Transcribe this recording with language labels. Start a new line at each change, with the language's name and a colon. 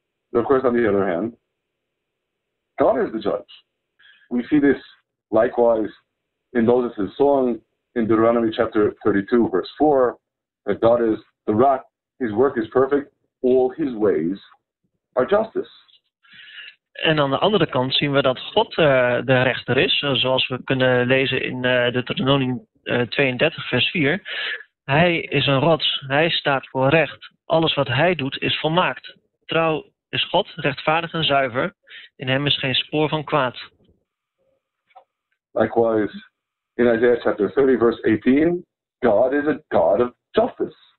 English: Of course, on the other hand, God is the judge. We see this likewise in Moses' song in Deuteronomy chapter 32, verse 4, that God is the rock, his work is perfect, all his ways are justice.
Dutch: En aan de andere kant zien we dat God de rechter is, zoals we kunnen lezen in Deuteronomie 32, vers 4. Hij is een rots, hij staat voor recht. Alles wat hij doet is volmaakt. Trouw is God, rechtvaardig en zuiver. In hem is geen spoor van kwaad.
English: Likewise, in Isaiah chapter 30, verse 18, God is a God of justice.